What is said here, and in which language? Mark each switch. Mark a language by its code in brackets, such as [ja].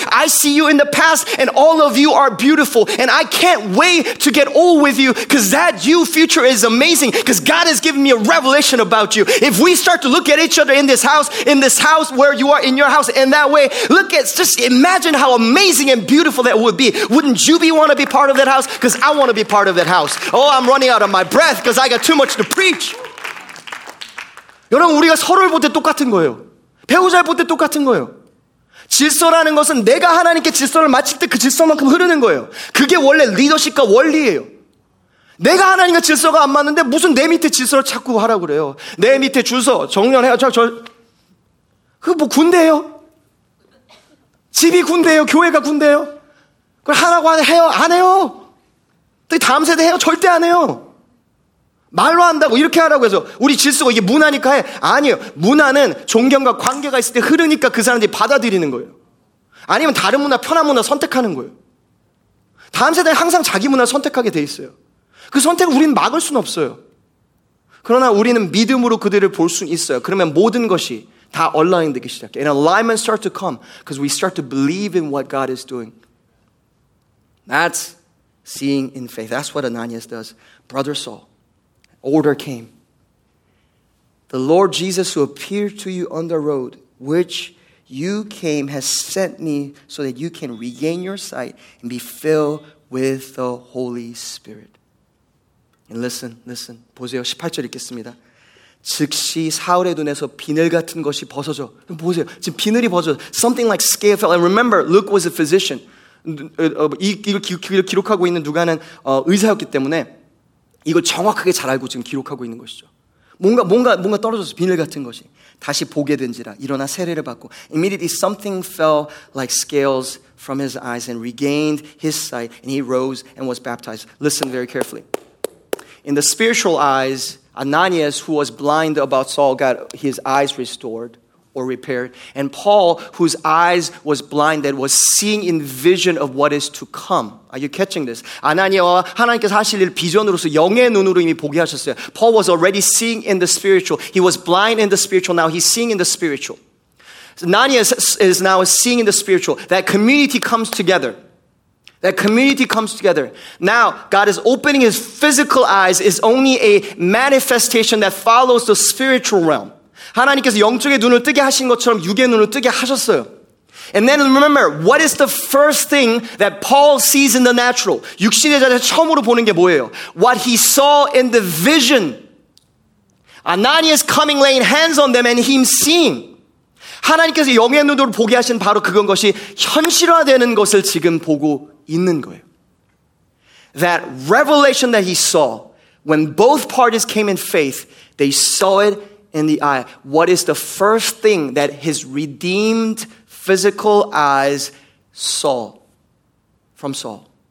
[en] I see you in the past and all of you are beautiful. And I can't wait to get old with you because that you future is amazing because God has given me a revelation about you. If we start to look at each other in this house where you are in your house in that way, look at, just imagine how amazing and beautiful that would be. Wouldn't you be want to be part of that house? Because I want to be part of that house. Oh, I'm running out of my breath because I got too much to preach. [ko] 여러분, 우리가 서로를 볼 때 똑같은 거예요. 배우자를 볼 때 똑같은 거예요. 질서라는 것은 내가 하나님께 질서를 마칠 때 그 질서만큼 흐르는 거예요. 그게 원래 리더십과 원리예요. 내가 하나님과 질서가 안 맞는데 무슨 내 밑에 질서를 자꾸 하라고 그래요. 내 밑에 주서 정렬해요. 그 뭐 군대예요? 집이 군대예요? 교회가 군대예요? 그걸 하라고 해요? 안 해요. 다음 세대 해요? 절대 안 해요. 말로 한다고 이렇게 하라고 해서 우리 질서가 이게 문화니까 해. 아니요. 문화는 존경과 관계가 있을 때 흐르니까 그 사람들이 받아들이는 거예요. 아니면 다른 문화, 편한 문화 선택하는 거예요. 다음 세대는 항상 자기 문화 선택하게 돼 있어요. 그 선택을 우리는 막을 수는 없어요. 그러나 우리는 믿음으로 그들을 볼 수 있어요. 그러면 모든 것이 다 얼라인되기 시작해. [en] And alignment start to come because we start to believe in what God is doing. That's seeing in faith. That's what Ananias does. Brother Saul. Order came. The Lord Jesus who appeared to you on the road, which you came, has sent me so that you can regain your sight and be filled with the Holy Spirit. And listen, listen. [ko] 보세요. 18절 읽겠습니다. 즉시 사울의 눈에서 비늘 같은 것이 벗어져. 보세요. 지금 비늘이 벗어져. [en] Something like scale fell. And remember, Luke was a physician. [ko] 이걸 기록하고 있는 누가는 의사였기 때문에 이걸 정확하게 잘 알고 지금 기록하고 있는 것이죠. 뭔가 떨어졌어. 비늘 같은 것이. 다시 보게 된지라. 일어나 세례를 받고. [en] Immediately something fell like scales from his eyes and regained his sight and he rose and was baptized. Listen very carefully. In the spiritual eyes, Ananias, who was blind about Saul, got his eyes restored or repaired. And Paul, whose eyes was blinded, was seeing in vision of what is to come. Are you catching this? [ko] 아나니아와 하나님께서 하실 일을 비전으로서 영의 눈으로 이미 보게 하셨어요. [en] Paul was already seeing in the spiritual. He was blind in the spiritual. Now he's seeing in the spiritual. Ananias is now seeing in the spiritual. That community comes together. That community comes together. Now, God is opening his physical eyes is only a manifestation that follows the spiritual realm. [ko] 하나님께서 영적의 눈을 뜨게 하신 것처럼 육의 눈을 뜨게 하셨어요. [en] And then remember, what is the first thing that Paul sees in the natural? [ko] 육신의 자세 처음으로 보는 게 뭐예요? [en] What he saw in the vision. Ananias coming laying hands on them and him seeing. [ko] 하나님께서 영의 눈으로 보게 하신 바로 그건 것이 현실화되는 것을 지금 보고 있는 거예요. [en] That revelation that he saw, when both parties came in faith, they saw it in the eye. What is the first thing that his redeemed physical eyes saw from Saul?